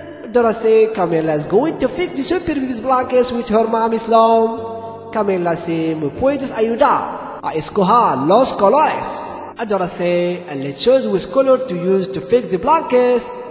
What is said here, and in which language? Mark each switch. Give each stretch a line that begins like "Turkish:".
English: Dora say, Camilla is going to fix the super baby's blankets with her mommy's loom. Camilla say,
Spanish: me puedes ayudar a escoger los colores.
English: Dora say, let's choose which color to use to fix the blankets.